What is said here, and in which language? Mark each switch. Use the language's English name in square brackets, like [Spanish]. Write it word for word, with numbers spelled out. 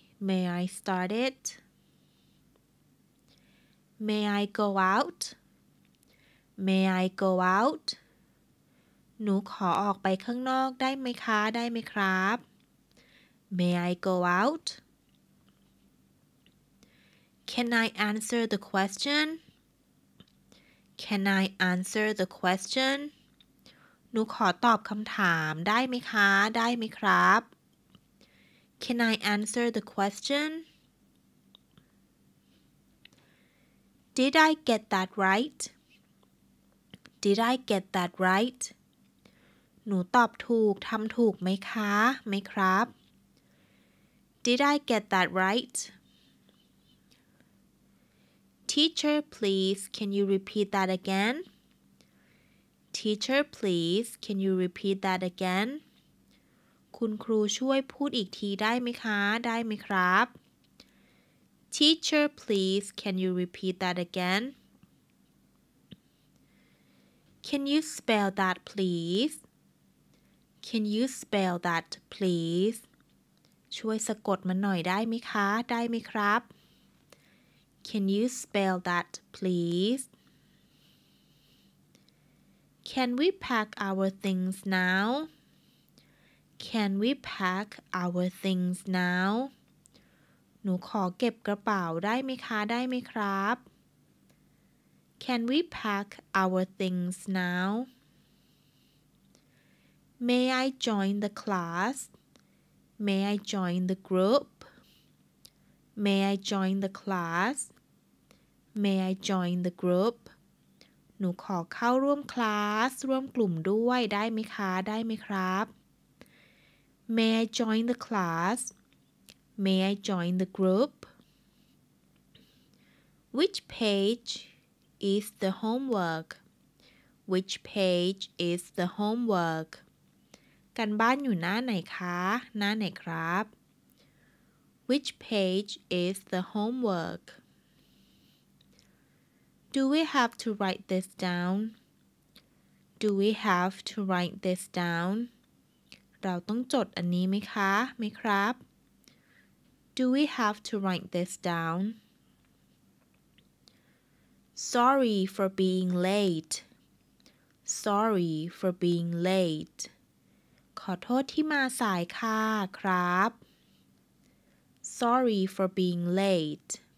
[English] May I start it? May I go out? May I go out? [Thai] หนูขอออกไปข้างนอกได้ไหมคะได้ไหมครับ [English] May I go out? Can I answer the question? Can I answer the question? [Thai] หนูขอตอบคำถามได้ไหมคะได้ไหมครับ [English] Can I answer the question? Did I get that right? Did I get that right? [Thai] หนูตอบถูกทำถูกไหมคะไหมครับ [English] Did I get that right? Teacher, please, can you repeat that again? Teacher, please, can you repeat that again? [Thai] คุณครูช่วยพูดอีกทีได้ไหมคะได้ไหมครับ [English] Teacher, please, can you repeat that again? Can you spell that, please? Can you spell that, please? [Thai] ช่วยสะกดมันหน่อยได้ไหมคะได้ไหมครับ [English] Can you spell that, please? Can we pack our things now? Can we pack our things now? [Thai] หนูขอเก็บกระเป๋าได้ไหมคะได้ไหมครับ [English] Can we pack our things now? May I join the class? May I join the group? May I join the class? May I join the group? [Thai] หนูขอเข้าร่วมคลาสร่วมกลุ่มด้วยได้ไหมคะได้ไหมครับ [English] May I join the class? May I join the group? Which page? Is the homework? Which page is the homework? [Thai] การบ้านอยู่หน้าไหนคะหน้าไหนครับ [English] Which page is the homework? Do we have to write this down? Do we have to write this down? [Thai] เราต้องจดอันนี้ไหมคะไหมครับ [English] Do we have to write this down? Sorry for being late. Sorry for being late. [Thai] ขอโทษที่มาสายค่ะครับ [English] Sorry for being late.